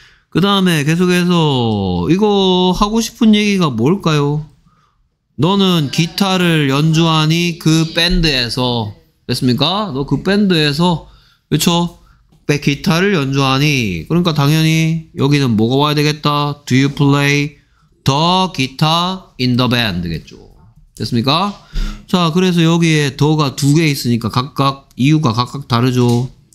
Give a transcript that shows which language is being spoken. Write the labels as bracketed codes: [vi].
[ko] 그 다음에 계속해서 이거 하고 싶은 얘기가 뭘까요? 너는 기타를 연주하니 그 밴드에서 됐습니까? 너 그 밴드에서 그쵸? 기타를 연주하니 그러니까 당연히 여기는 뭐가 와야 되겠다? [en] Do you play the guitar in the band겠죠? [ko] 됐습니까? 자 그래서 여기에 the가 두 개 있으니까 각각 이유가 각각 다르죠.